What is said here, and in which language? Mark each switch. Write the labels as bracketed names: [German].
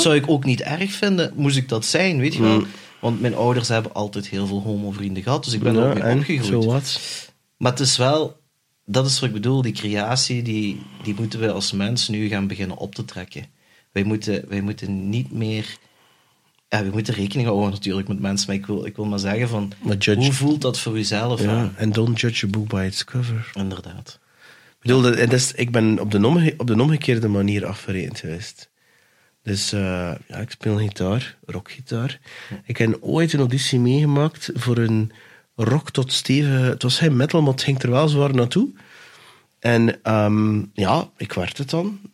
[Dutch] zou ik ook niet erg vinden, moest ik dat zijn, weet je wel. Want mijn ouders hebben altijd heel veel homo-vrienden gehad, dus ik ben ook mee opgegroeid. [English] So what? [Dutch] Maar het is wel, dat is wat ik bedoel, die creatie, die moeten we als mens nu gaan beginnen op te trekken. Wij moeten niet meer. Ja, we moeten rekening houden natuurlijk met mensen, maar ik wil maar zeggen van, maar judge, hoe voelt dat voor jezelf? [English] Ja, and don't judge a book by its cover. [Dutch] Inderdaad. Ik bedoel, ik ben op de omgekeerde manier afgereden geweest. Dus ja, ik speel gitaar, rockgitaar. Ik heb ooit een auditie meegemaakt voor een rock tot stevige. Het was geen metal, maar het ging er wel zwaar naartoe. En ja, ik werd het dan.